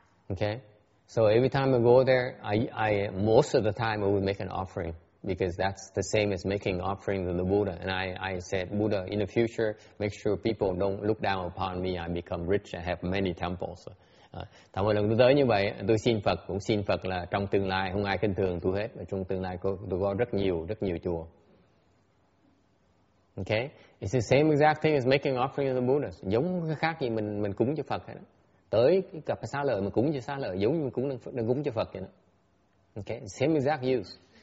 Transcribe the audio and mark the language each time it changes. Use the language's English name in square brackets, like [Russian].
[English] Okay, so every time I go there, I most of the time I will make an offering, because that's the same as making offering to the Buddha. And I said, Buddha, in the future, make sure people don't look down upon me. I become rich. I have many temples. [Vietnamese] Thầm một lần tôi tới như vậy, tôi xin Phật, cũng xin Phật là trong tương lai không ai khinh thường tôi hết. Và trong tương lai tôi có rất nhiều chùa. [English] Okay? It's the same exact thing as making offering to the Buddha. [Vietnamese] Giống khác gì mình cúng cho Phật hết đó. Tới cái cặp xá lợi mà cúng cho xá lợi, giống như mình đang cúng cho Phật vậy đó. [English] Okay? Same exact use.